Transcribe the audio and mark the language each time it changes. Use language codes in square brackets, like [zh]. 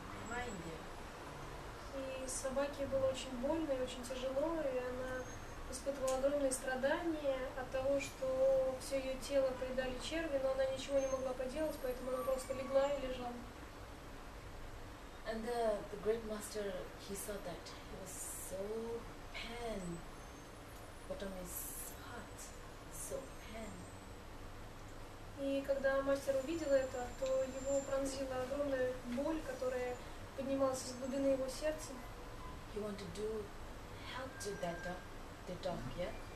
[ru] И собаке было очень больно и очень тяжело, и она испытывала огромные страдания от того, что все ее тело поедали черви, но она ничего не могла поделать, поэтому она просто легла и лежала. [en] And the great master, he saw that he was so pain, bottom is hot, so pain. [ru] И когда мастер увидел это, то его пронзила огромная боль, которая поднималась из глубины его сердца. [en] He wanted to do help to that dog, the dog, yeah?